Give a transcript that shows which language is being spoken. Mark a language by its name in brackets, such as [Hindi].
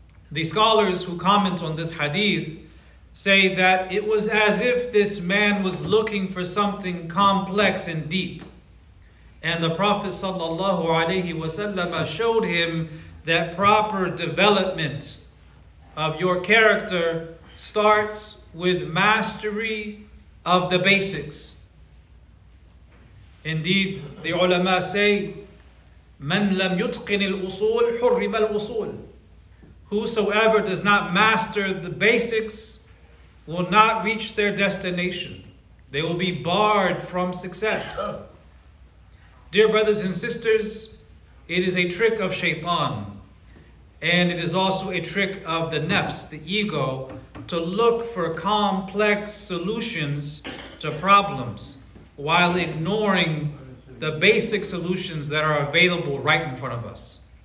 [English] The scholars who comment on this hadith say that it was as if this man was looking for something complex and deep. And the Prophet sallallahu alayhi wa sallam showed him that proper development of your character starts with mastery of the basics. Indeed, the ulama say, [Arabic] من لم يتقن الأصول حرم الأصول. [English] Whosoever does not master the basics will not reach their destination. They will be barred from success. Dear brothers and sisters, it is a trick of shaitan, and it is also a trick of the nafs, the ego, to look for complex solutions to problems while ignoring the basic solutions that are available right in front of us.